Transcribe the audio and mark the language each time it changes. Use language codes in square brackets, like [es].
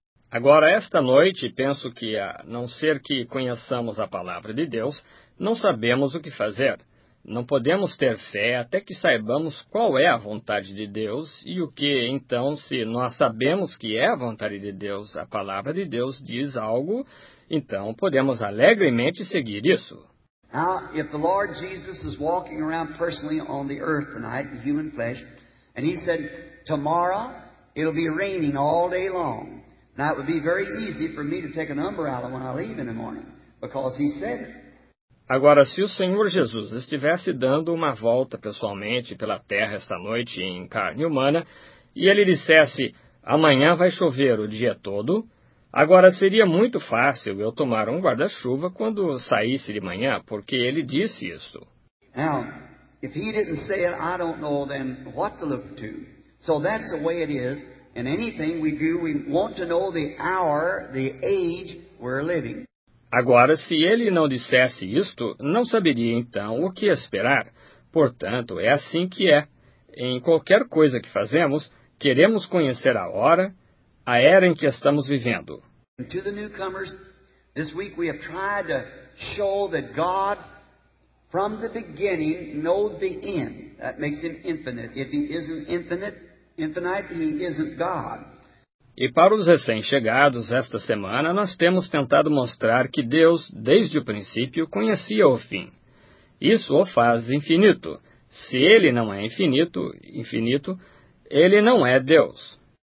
[pt] Agora, esta noite, penso que, a não ser que conheçamos a palavra de Deus, não sabemos o que fazer. Não podemos ter fé até que saibamos qual é a vontade de Deus e o que, então, se nós sabemos que é a vontade de Deus, a palavra de Deus diz algo, então podemos alegremente seguir isso. [en] Now, if the Lord Jesus is walking around personally on the earth tonight, in human flesh, and He said, tomorrow it'll be raining all day long. Now, it would be very easy for me to take an umbrella when I leave in the morning, because He said it. [pt] Agora, se o Senhor Jesus estivesse dando uma volta pessoalmente pela terra esta noite em carne humana, e ele dissesse, amanhã vai chover o dia todo, agora seria muito fácil eu tomar um guarda-chuva quando saísse de manhã, porque ele disse isso. [en] Now, if he didn't say it, I don't know then what to look to. So that's the way it is. In anything we do, we want to know the hour, the age we're living. [pt] Agora, se ele não dissesse isto, não saberia então o que esperar. Portanto, é assim que é. Em qualquer coisa que fazemos, queremos conhecer a hora, a era em que estamos vivendo. [en] To the newcomers, this week we have tried to show that God, from the beginning, knows the end. That makes him infinite. If he isn't infinite, he isn't God. [pt] E para os recém-chegados, esta semana, nós temos tentado mostrar que Deus, desde o princípio, conhecia o fim. Isso o faz infinito. Se ele não é infinito, ele não é Deus.